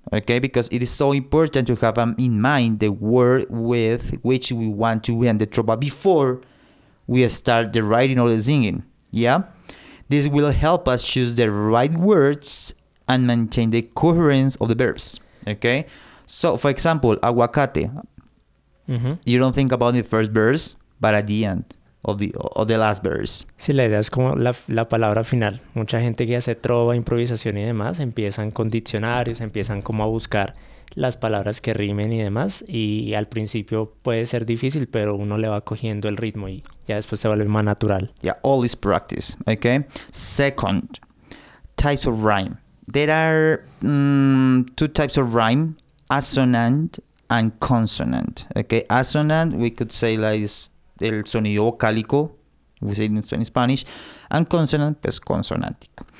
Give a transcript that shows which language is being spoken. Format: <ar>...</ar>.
<en>Okay, because it is so important to have in mind the word with which we want to end the trova before we start the writing or the singing. Yeah, this will help us choose the right words and maintain the coherence of the verse. Okay, so for example, aguacate. Mm-hmm. You don't think about the first verse, but at the end of the last verse.</en> <es>Sí, la idea es como la palabra final. Mucha gente que hace trova, improvisación y demás, empiezan con diccionarios, empiezan como a buscar las palabras que rimen y demás, y al principio puede ser difícil, pero uno le va cogiendo el ritmo y ya después se vuelve más natural.</es> <en>Yeah, all is practice, okay? Second, types of rhyme. There are two types of rhyme, assonant and consonant, okay? Assonant, we could say like</en> <es>el sonido vocálico,</es> <en>we say in Spanish, and consonant, pues consonantic.</en>